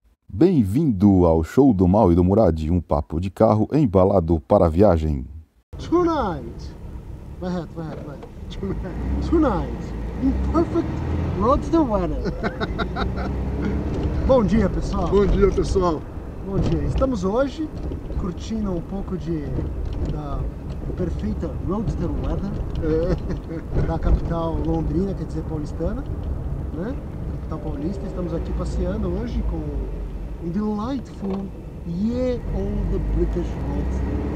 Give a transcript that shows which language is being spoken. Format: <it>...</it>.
<pt>Bem-vindo ao Show do Mal e do Murad, um papo de carro embalado para a viagem.</pt> <en>Tonight,</en> <pt>vai reto.</pt> <en>Tonight, in perfect roadster weather.</en> <pt>Bom dia, pessoal. Bom dia, pessoal. Bom dia. Estamos hoje curtindo um pouco da perfeita</pt> <en>roadster weather</en> <pt>da capital londrina, quer dizer, paulistana, né? Capital paulista. Estamos aqui passeando hoje com um</pt> <en>delightful ye olde British roadster.</en>